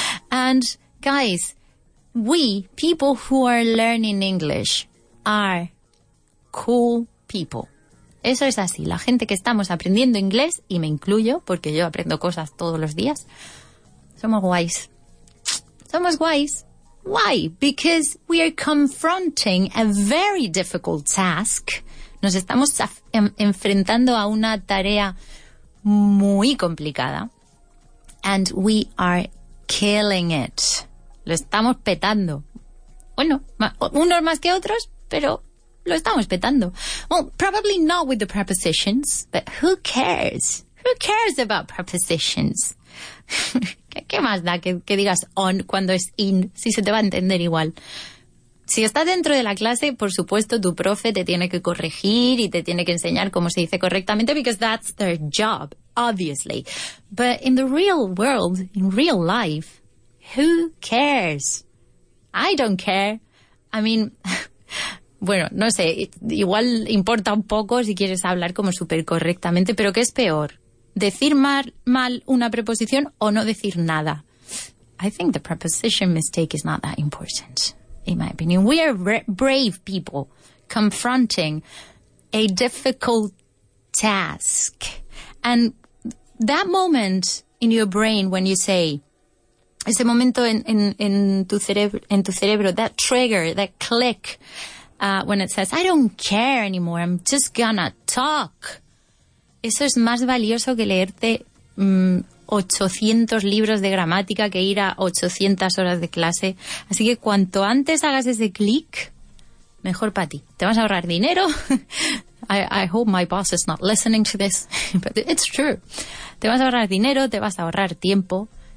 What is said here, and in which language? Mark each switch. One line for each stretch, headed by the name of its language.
English: And guys, we, people who are learning English, are cool people.
Spanish: Eso es así. La gente que estamos aprendiendo inglés, y me incluyo porque yo aprendo cosas todos los días, somos guays. Somos guays.
English: Why? Because we are confronting a very difficult task.
Spanish: Nos estamos enfrentando a una tarea muy complicada.
English: And we are killing it.
Spanish: Lo estamos petando. Bueno, unos más que otros, pero lo estamos petando.
English: Well, probably not with the prepositions, but who cares? Who cares about prepositions?
Spanish: ¿Qué más da que digas on cuando es in? Si se te va a entender igual. Si estás dentro de la clase, por supuesto, tu profe te tiene que corregir y te tiene que enseñar cómo se dice correctamente,
English: because that's their job, obviously. But in the real world, in real life, who cares? I don't care. I mean,
Spanish: bueno, no sé, igual importa un poco si quieres hablar como súper correctamente, pero ¿qué es peor? ¿Decir mal una preposición o no decir nada?
English: I think the preposition mistake is not that important, in my opinion. We are brave people confronting a difficult task. And that moment in your brain when you say,
Spanish: ese momento en tu cerebro,
English: that trigger, that click, when it says, I don't care anymore, I'm just gonna talk.
Spanish: Eso es más valioso que leerte 800 libros de gramática, que ir a 800 horas de clase. Así que cuanto antes hagas ese click, mejor para ti. Te vas a ahorrar dinero.
English: I hope my boss is not listening to this, but it's true.
Spanish: Te vas a ahorrar dinero, te vas a ahorrar tiempo.